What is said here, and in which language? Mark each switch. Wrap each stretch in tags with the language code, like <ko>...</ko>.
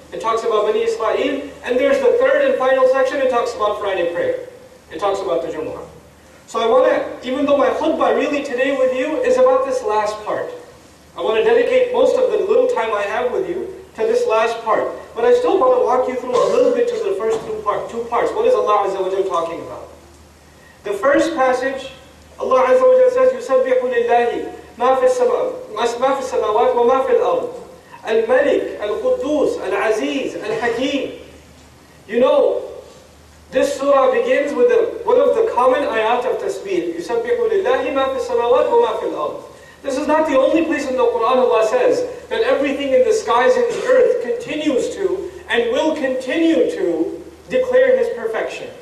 <en>It talks about Bani Israel. And there's the third and final section. It talks about Friday prayer. It talks about the Jumu'ah. So So I want to, even though my khutbah really today with you is about this last part, I want to dedicate most of the little time I have with you to this last part. But I still want to walk you through a little bit to the first two parts. What is Allah Azza wa Jalla talking about? The first passage, Allah Azza wa Jalla says,</en> <ar>يُسَبِّحُ لِلَّهِ مَا فِي السَّمَوَاتِ وَمَا فِي الْأَرْضِ الْمَلِكِ الْقُدُّوسِ الْعَزِيزِ الْحَكِيمِ.</ar> <en>You know, this surah begins with one of the common ayat of tasbih.</en> <ar>يُسَبِّحُ لِلَّهِ مَا فِي السَّمَوَاتِ وَمَا فِي الْأَرْضِ.</ar> <en>This is not the only place in the Quran Allah says that everything in the skies and the earth continues to and will continue to declare His perfection.</en>